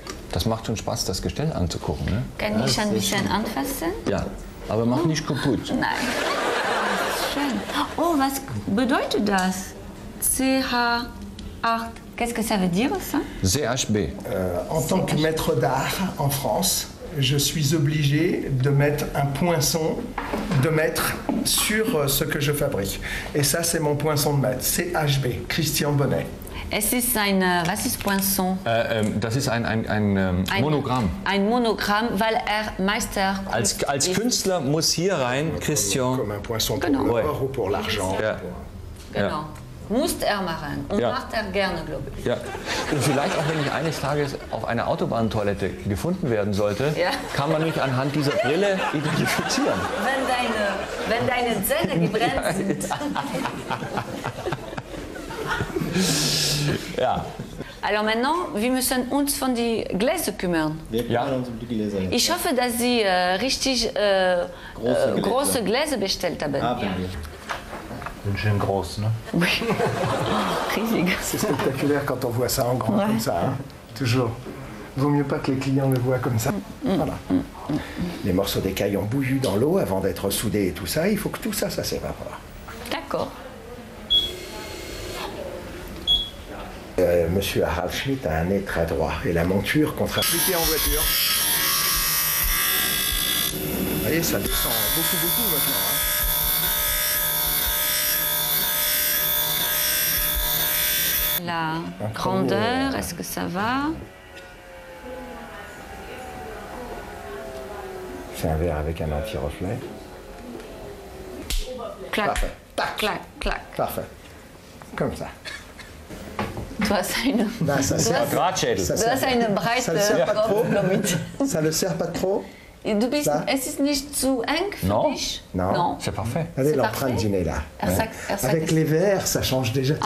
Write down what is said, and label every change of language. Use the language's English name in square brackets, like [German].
[German] Das macht schon Spaß, das Gestell anzugucken, ne? Kann ich ein bisschen anfassen? Ja, aber mach nicht kaputt. Nein. Schön. Oh, was bedeutet das? [French] CH8, qu'est-ce que ça veut dire ça? CHB. En tant que maître d'art en France, je suis obligé de mettre un poinçon de maître sur ce que je fabrique. Et ça, c'est mon poinçon de maître, CHB, Christian Bonnet. [German] Es ist ein, was ist Poinçon? Das ist ein Monogramm. Ein Monogramm, weil er Meister ist. Als Künstler muss hier rein, Christian. [French] Comme un poinçon pour l'or ou pour l'argent. [German] Genau. Ja. Muss er machen. Und macht er gerne, glaube ich. Ja. Und vielleicht auch, wenn ich eines Tages auf einer Autobahntoilette gefunden werden sollte, kann man mich anhand dieser Brille identifizieren. Wenn deine Zähne gebrennt sind. Ja. [French] Alors maintenant, [German] wir müssen uns von die Gläser kümmern. Ich hoffe, dass Sie richtig große Gläser bestellt haben. Ein schön groß, ne? Riesig. [French] C'est spectaculaire quand on voit ça en grand comme ça. Toujours. Vaut mieux pas que les clients le voient comme ça. Voilà. Les morceaux d'écaille ont bouillu dans l'eau avant d'être soudés et tout ça. Il faut que tout ça, ça s'évapore. D'accord. Monsieur Harald Schmidt a un nez très droit et la monture contre appliquée en voiture. Vous voyez, ça descend beaucoup, beaucoup maintenant. Hein. La grandeur, est-ce que ça va? C'est un verre avec un anti-reflet. Clac. Parfait. Clac, clac. Parfait. Comme ça. [German] Du hast eine breite Kopf, glaube ich. Du bist, es ist nicht zu eng für dich? [French] Non. C'est parfait. Allez, l'empreinte du nez là. Avec les verres, ça change déjà tout.